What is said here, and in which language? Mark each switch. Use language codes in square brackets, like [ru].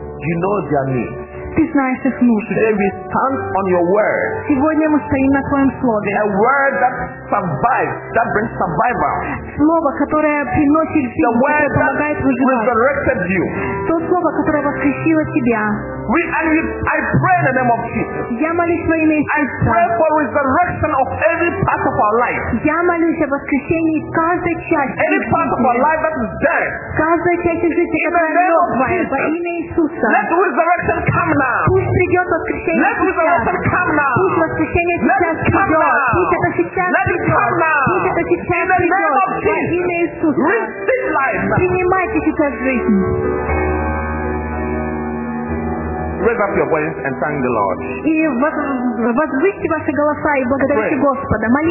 [en] You know their need. [ru] Ты знаешь их нужды. [en] Today we stand on your word. [ru] Сегодня мы стоим на твоем слове. [en] A word that survives, that brings survival. [ru] Слово, которое приносит жизнь, [en] the word [ru] которое помогает выживать. [en] That resurrected you. [ru] То слово, которое воскресило тебя. [en] We and you, I pray in the name of Jesus. [ru] Я молюсь во имя Иисуса. [en] I pray for resurrection of every part of our life. [ru] Я молюсь о воскресении каждой части. [en] Every part of our life that is dead. [ru] Каждая часть жизни, которая мертва. [en] Let resurrection come now. [ru] Пусть придет воскресение. [en] Let resurrection come now. [ru] Пусть воскресение сейчас придет. Пусть это сейчас придет. Пусть это сейчас придет. Во имя Иисуса. [en] Receive life. [ru] Принимайте сейчас жизнь. [en] Raise up your voice and thank the Lord. [ru] И возвысьте ваши голоса и благодарите Господа.